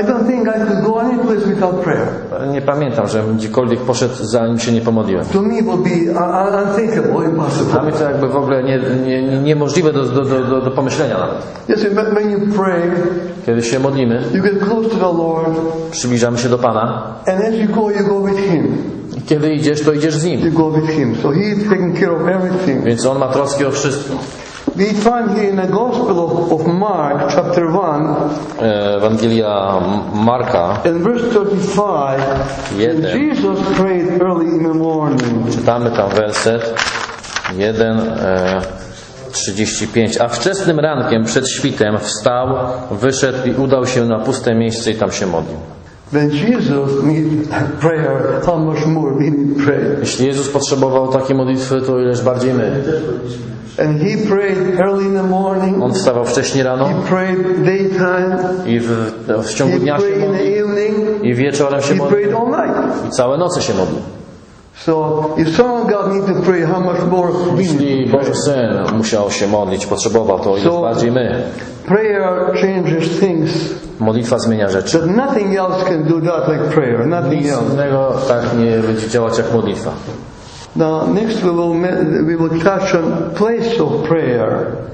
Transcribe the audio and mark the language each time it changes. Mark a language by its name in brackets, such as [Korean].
[English] I don't think I could go any place without prayer. [Polish] Nie pamiętam, żebym gdziekolwiek poszedł, zanim się nie pomodliłem. [English] To me would be unthinkable, impossible. [Polish] Dla mnie to jakby w ogóle niemożliwe do pomyślenia nawet. [English] Yes, when you pray, [Polish] kiedy się modlimy, [English] you get close to the Lord, [Polish] przybliżamy się do Pana. [English] And as you go, you go with Him. [Polish] Kiedy idziesz, to idziesz z Nim. [English] You go with Him. So He is taking care of everything. [Polish] Więc On ma troski o wszystko. [English] We find here in the Gospel of Mark, chapter 1, [Polish] Ewangelia Marka, [English] in verse 35, when Jesus prayed early in the morning. [Polish] Czytamy tam werset 1:35. A wczesnym rankiem, przed świtem, wstał, wyszedł i udał się na puste miejsce i tam się modlił. [English] When Jesus needed prayer, how much more we need prayer. [Polish] Jeśli Jezus potrzebował takiej modlitwy, to ileż bardziej my. [English] And He prayed early in the morning. [Polish] On wstawał wcześniej rano. [English] He prayed daytime. [Polish] I w ciągu [English] he [Polish] dnia [English] prayed [Polish] się modlił. [English] In evening, [Polish] i wieczorem się modlił. I całe noce się modlił. [English] So if someone God need to pray, how much more we need to pray. [Polish] Boży Syn musiał się modlić, potrzebował to, ile bardziej my. [English] Prayer changes things. [Polish] Modlitwa zmienia rzeczy. [English] But nothing else can do that like prayer. Nothing [Polish] nic [English] else. [Polish] Innego tak nie będzie działać jak modlitwa. [English] Now next we will touch on place of prayer.